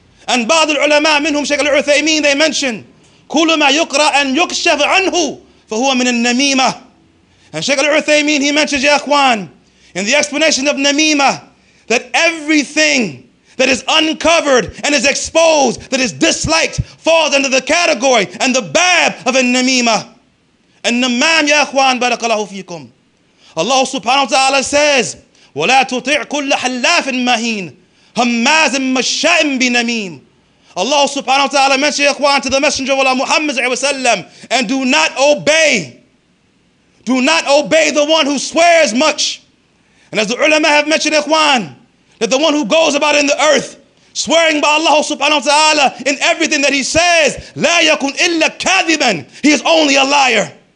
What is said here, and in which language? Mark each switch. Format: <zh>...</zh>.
<en>And</en> <ar>ba'd ulama minhum Shaykh al-Uthaymeen,</ar> <en>they mention,</en> <ar>kullu ma yuqra an yukshaf anhu fa huwa min an-namima.</ar> <en>And Shaykh al-Uthaymeen, he mentions, Ya Ikhwan, in the explanation of namima, that everything that is uncovered and is exposed, that is disliked, falls under the category and the bab of an-namima.</en> <ar>An-namam, Ya Ikhwan, barakallahu feekum. Allah subhanahu wa ta'ala says, وَلَا تُطِعْ كُلَّ حَلَّافٍ مَهِينٍ هَمَّازٍ مَشَّاءٍ بِنَمِيمٍ.</ar> <en>Allah subhanahu wa ta'ala mentioned, Ya Ikhwan, to the Messenger of Allah Muhammad sallam, and do not obey the one who swears much. And as the ulama have mentioned, Ikhwan, that the one who goes about in the earth swearing by Allah subhanahu wa ta'ala in everything that he says,</en> <ar>لا يكون إلا كاذبا,</ar> <en>he is only a liar.</en>